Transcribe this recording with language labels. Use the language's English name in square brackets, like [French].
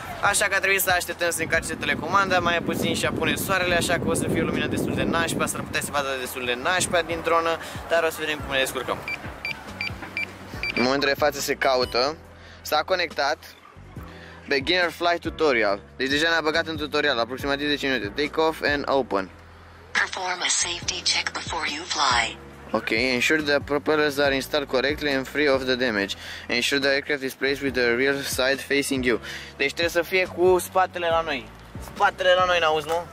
[Romanian] Așa că a trebuit să așteptăm să încarce telecomanda, mai puțin și a pune soarele, așa că o să fie o lumină destul de nașpa, s-ar putea să vadă destul de nașpa din dronă, dar o să vedem cum ne descurcăm. În momentul de față se caută, s-a conectat. [English] Beginner flight tutorial. [Romanian] Deci deja ne-a băgat în tutorial, aproximativ 10 minute. [English] Take off and open. Perform a safety check before you fly. Ok, ensure the propellers are installed correctly and free of the damage. Ensure the aircraft is placed with the rear side facing you. [Romanian] Deci trebuie să fie cu spatele la noi. Spatele la noi, n-auzi, nu?